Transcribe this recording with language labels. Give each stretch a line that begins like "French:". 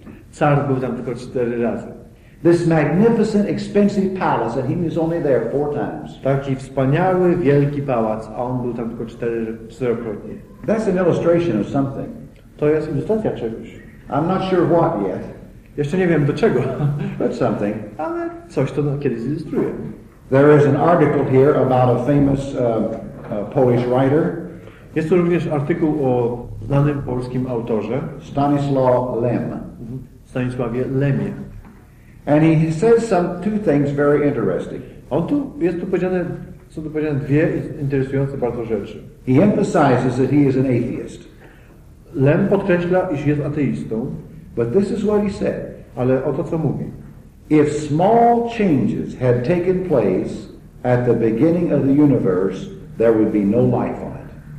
Polish: Car był tam tylko cztery razy.
English: This magnificent, expensive palace, and he was only there four times.
Polish: Taki wspaniały, wielki pałac, a on był tam tylko czterokrotnie.
English: That's an illustration of something.
Polish: To jest ilustracja czegoś.
English: I'm not sure what yet.
Polish: Jeszcze nie wiem do czego.
English: But something.
Polish: Ale coś to kiedyś ilustruje.
English: There is an article here about a famous Polish writer.
Polish: Jest tu również artykuł o znanym polskim autorze.
English: Stanisław Lem.
Polish: Stanisławie Lemie.
English: And he says some two things very interesting.
Polish: On tu jest tu powiedziane, są tu powiedziane dwie interesujące bardzo rzeczy.
English: He emphasizes that he is an atheist.
Polish: Lem podkreśla, iż jest ateistą.
English: But this is what he said.
Polish: Ale oto co mówi.
English: If small changes had taken place at the beginning of the universe, there would be no life on it.